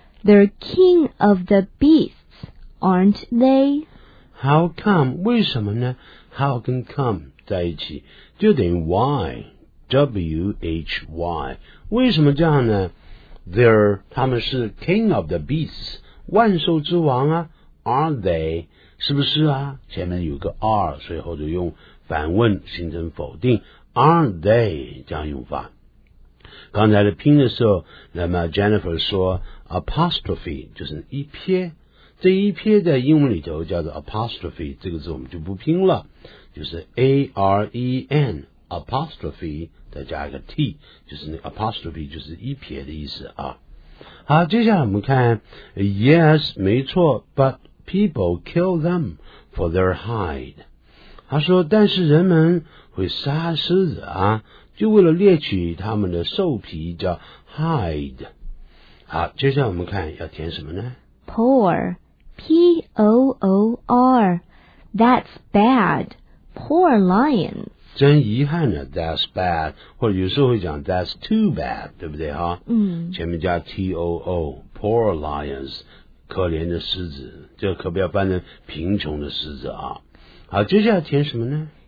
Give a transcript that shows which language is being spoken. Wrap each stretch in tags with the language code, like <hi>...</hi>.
<en>They're king of the beasts, aren't they? How come?</en> <zh>为什么呢 ?</zh> <en>How can come</en> <zh>在一起就等于 why? W-H-Y. 为什么这样呢 ?They're, 他们是</zh> <en>king of the beasts,</en> <zh>万兽之王啊 ,</zh> <en>are they?</en> <zh>是不是啊前面有个 R, 所以后就用反问形成否定。</zh> <en>Aren't they</en> <zh>这样用法刚才的拼的时候那么 Jennifer 说 apostrophe 就是一撇这一撇在英文里头叫做 apostrophe 这个字我们就不拼了就是 A-R-E-N apostrophe 再加一个 T 就是 apostrophe 就是一撇的意思啊。好接下来我们看 Yes 没错</zh> <en>But people kill them for their hide</en> <zh>他说但是人们会杀狮子啊就为了猎取他们的兽皮叫 hide 好接下来我们看要填什么呢</zh> <en>poor P-O-O-R that's bad poor lions</en> <zh>真遗憾呢</zh> <en>that's bad</en> <zh>或者有时候会讲</zh> <en>that's too bad</en> <zh>对不对哈嗯，前面加 T-O-O</zh> <en>poor lions</en> <zh>可怜的狮子这可不要翻成贫穷的狮子啊好接下来填什么呢</zh>